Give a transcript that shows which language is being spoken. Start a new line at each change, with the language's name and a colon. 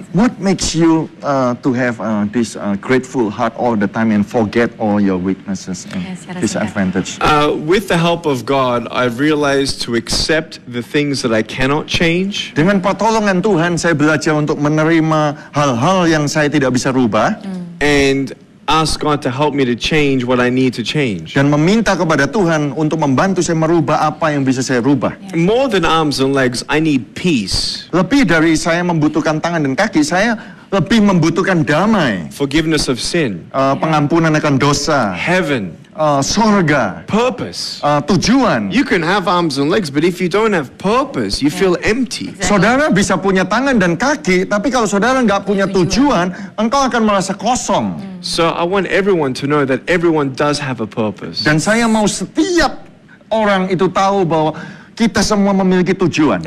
English: What makes you to have this grateful heart all the time and forget all your weaknesses and disadvantage? With the help of God, I've realized to accept the things that I cannot change.
Indonesian: Dengan pertolongan Tuhan, saya belajar untuk menerima hal-hal yang saya tidak bisa rubah.
English: And ask God to help me to change what I need to change.
Indonesian: Dan meminta kepada Tuhan untuk membantu saya merubah apa yang bisa saya rubah.
English: More than arms and legs, I need peace.
Indonesian: Lebih dari saya membutuhkan tangan dan kaki, saya lebih membutuhkan damai.
English: Forgiveness of sin.
Indonesian: Pengampunan akan dosa.
English: Heaven.
Indonesian: Surga.
English: Purpose.
Indonesian: Tujuan.
English: You can have arms and legs, but if you don't have purpose, you feel empty. Exactly.
Indonesian: Saudara bisa punya tangan dan kaki, tapi kalau saudara enggak punya tujuan, engkau akan merasa kosong.
English: So I want everyone to know that everyone does have a purpose.
Indonesian: Dan saya mau setiap orang itu tahu bahwa kita semua memiliki tujuan.